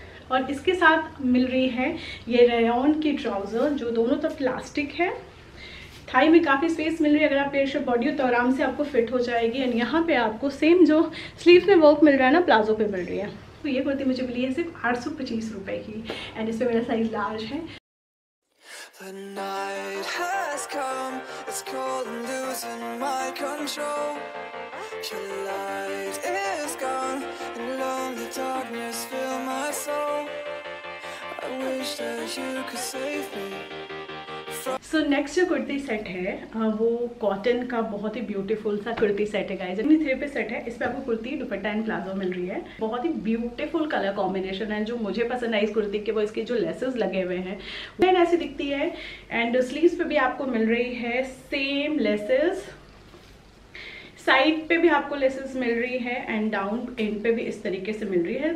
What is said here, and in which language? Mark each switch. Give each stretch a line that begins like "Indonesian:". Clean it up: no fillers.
Hindi: और इसके साथ मिल रही है ये रेयन की ट्राउजर, जो दोनों तरफ प्लास्टिक है. थाई में काफ़ी स्पेस मिल रही है, अगर आप पेयर शर्ट बॉडी हो तो आराम से आपको फिट हो जाएगी. एंड यहाँ पे आपको सेम जो स्लीव में वर्क मिल रहा है ना, प्लाजो पे मिल रही है. तो ये कुर्ती मुझे मिली है सिर्फ 825 रुपये की, एंड इसमें मेरा साइज लार्ज है.
English: The night has come, it's cold and losing my control. Your light is gone, and lonely darkness fill my soul. I wish that you could save me.
Hindi: So next जो kurti set है वो cotton का बहुत ही beautiful सा kurti set है guys. इतनी three पे set है, इसमें आपको कुर्ती दुपट्टा एंड प्लाजो मिल रही है. बहुत ही ब्यूटीफुल कलर कॉम्बिनेशन है. जो मुझे पसंद है इस कुर्ती के, वो इसके जो लेसेस लगे हुए हैं वो ऐसी दिखती है. एंड स्लीव्स पे भी आपको मिल रही है सेम लेसेस, साइड पे भी आपको लेसेस मिल रही है, एंड डाउन एंड पे भी इस तरीके से मिल रही है.